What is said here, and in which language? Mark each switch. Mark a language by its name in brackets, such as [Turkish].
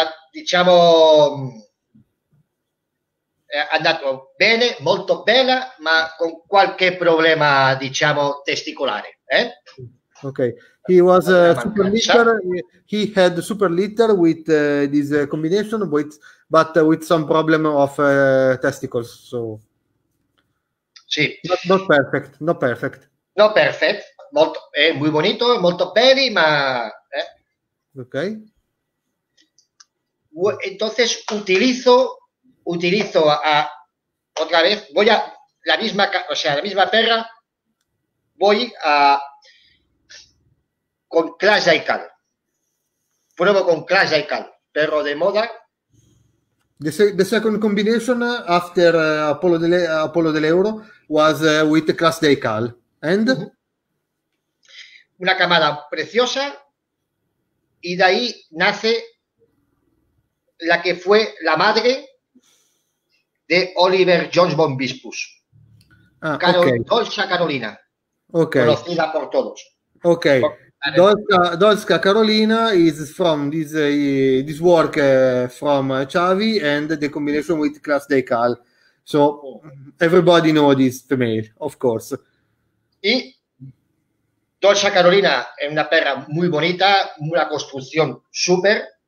[Italian] Diciamo, è andato bene, molto bella, ma con qualche problema, diciamo, testicolare. [English] Ok, he was a super litter, he had super litter with this combination, but with some problem of testicles, so... [Italian] Sì. [English] Not perfect. [Italian] Molto, è [Spanish] muy bonito, [Italian] molto belli, ma... [English] Ok. [Spanish] Entonces utilizo a otra vez, voy a la misma, o sea, la misma perra, voy a con Clash Aical. Pruebo con Clash Aical, perro de moda. [English] The second combination after Apollo dell'Euro was with Clash Aical. And? [Spanish] Una camada preciosa y de ahí nace la que fue la madre de Oliver Jones von Bispus. [English] Ah, okay. Dolce Carolina. Okay. [Spanish] Conocida por todos. [English] Okay. Dolce Carolina is from this work from Chavi and the combination with Clash Aical. So everybody knows this female, of course. [Spanish] Y Dolce Carolina es una perra muy bonita, una construcción super.